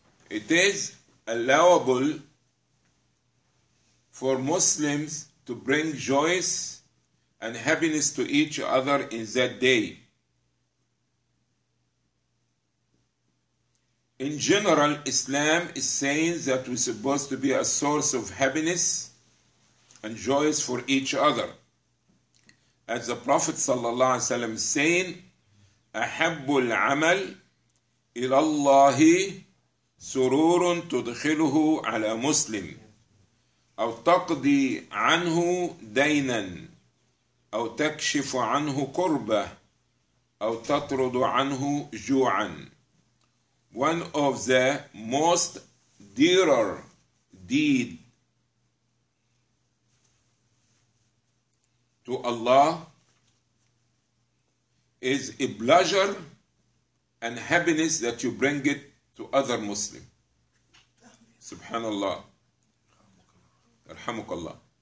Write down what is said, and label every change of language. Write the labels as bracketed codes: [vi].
[en] It is allowable for Muslims to bring joys and happiness to each other in that day. In general, Islam is saying that we're supposed to be a source of happiness and joys for each other. As the Prophet sallallahu alaihi wasallam is saying, [ar] أَحَبُّ الْعَمَلِ إِلَى اللَّهِ سُرُورٌ تُدْخِلُهُ عَلَى مُسْلِمٍ أو تقضي عنه دينا أو تكشف عنه كربة أو تطرد عنه جوعا. [en] One of the most dearer deed to Allah is a pleasure and happiness that you bring it to other Muslim. Subhanallah. Arhamukallah.